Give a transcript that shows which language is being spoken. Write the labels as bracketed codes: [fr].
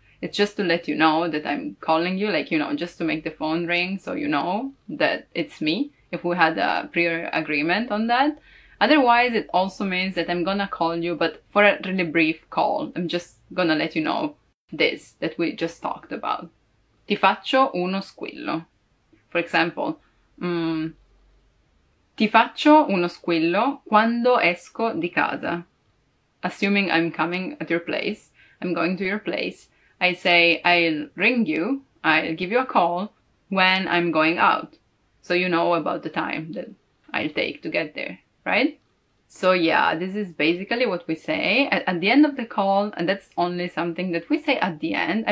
[en] It's just to let you know that I'm calling you, like, you know, just to make the phone ring so you know that it's me, if we had a prior agreement on that. Otherwise, it also means that I'm gonna call you, but for a really brief call. I'm just gonna let you know this, that we just talked about. [it] Ti faccio uno squillo. [en] For example, [it] ti faccio uno squillo quando esco di casa. [en] Assuming I'm coming at your place, I'm going to your place, I say I'll ring you, I'll give you a call when I'm going out. So you know about the time that I'll take to get there, right? So yeah, this is basically what we say at the end of the call, and that's only something that we say at the end.